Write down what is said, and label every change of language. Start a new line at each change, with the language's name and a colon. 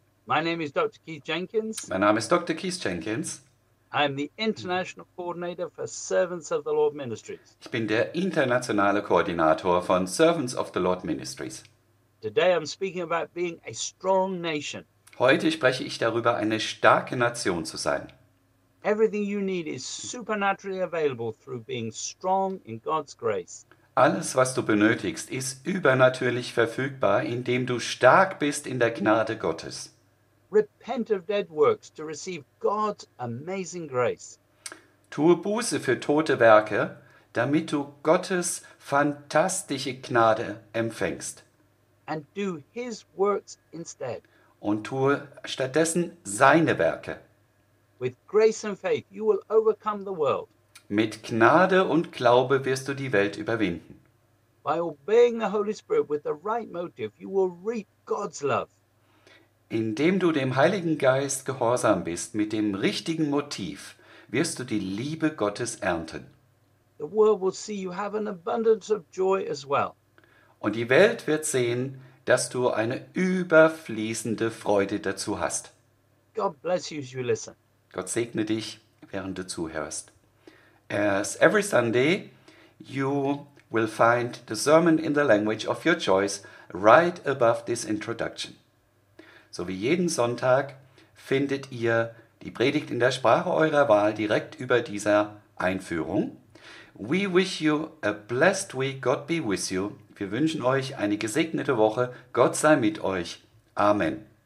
English: My name is Dr. Keith Jenkins.
German: Mein Name ist Dr. Keith Jenkins.
English: I'm the International Coordinator for Servants of the Lord Ministries.
German: Ich bin der internationale Koordinator von Servants of the Lord Ministries.
English: Today I'm speaking about being a strong nation.
German: Heute spreche ich darüber, eine starke Nation zu sein.
English: Everything you need is supernaturally available through being strong in God's grace.
German: Alles, was du benötigst, ist übernatürlich verfügbar, indem du stark bist in der Gnade Gottes.
English: Repent of dead works to receive God's amazing grace.
German: Tue Buße für tote Werke, damit du Gottes fantastische Gnade empfängst.
English: And do his works instead.
German: Und tue stattdessen seine Werke.
English: With grace and faith, you will overcome the world.
German: Mit Gnade und Glaube wirst du die Welt überwinden.
English: By obeying the Holy Spirit with the right motive, you will reap God's love.
German: Indem du dem Heiligen Geist gehorsam bist, mit dem richtigen Motiv, wirst du die Liebe Gottes ernten.
English: The world will see you have an abundance of joy as well.
German: Und die Welt wird sehen, dass du eine überfließende Freude dazu hast.
English: God bless you as you listen.
German: Gott segne dich, während du zuhörst.
English: As every Sunday, you will find the sermon in the language of your choice right above this introduction.
German: So wie jeden Sonntag findet ihr die Predigt in der Sprache eurer Wahl direkt über dieser Einführung.
English: We wish you a blessed week. God be with you.
German: Wir wünschen euch eine gesegnete Woche. Gott sei mit euch. Amen.